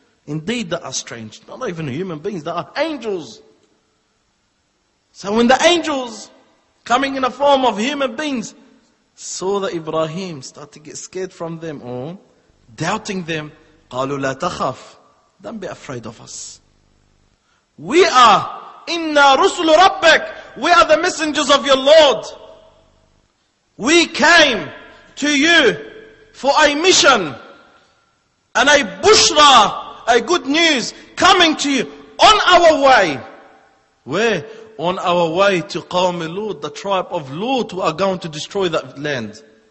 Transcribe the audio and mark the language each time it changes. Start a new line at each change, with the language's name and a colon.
English: Indeed, that are strange. Not even human beings, that are angels. So when the angels, coming in the form of human beings, saw that Ibrahim started to get scared from them, or doubting them,
Arabic: قَالُوا لَا تَخَفْ.
English: Don't be afraid of us. We are,
Arabic: إِنَّا رُسُلُ رَبَّكَ.
English: We are the messengers of your Lord. We came to you for a mission and a bushra, a good news, coming to you on our way. Where? On our way to Qawm Lut, the tribe of Lut, who are going to destroy that land.